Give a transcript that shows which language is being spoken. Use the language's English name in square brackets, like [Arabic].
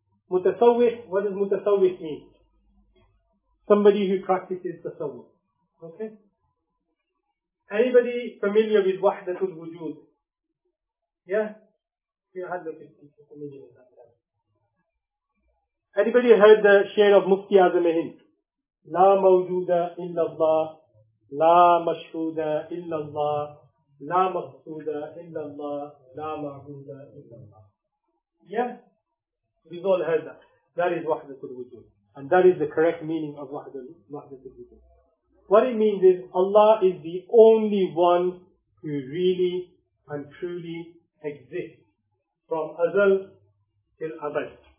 [English] Mutasawwif, what does mutasawwif mean? Somebody who practices tasawwuf. Okay? Anybody familiar with wahdatul wujud? Yeah? You had the 50s, familiar with that. Anybody heard the share of Mufti Azam e Hind? [Arabic] لا موجود إلا الله لا مشهود إلا الله لا مقصود إلا الله لا معبود إلا الله. [English] Yeah, we've all heard that. That is wahdatul wujud, and that is the correct meaning of wahdatul wujud. What it means is, Allah is the only one who really and truly exists from azal till abad.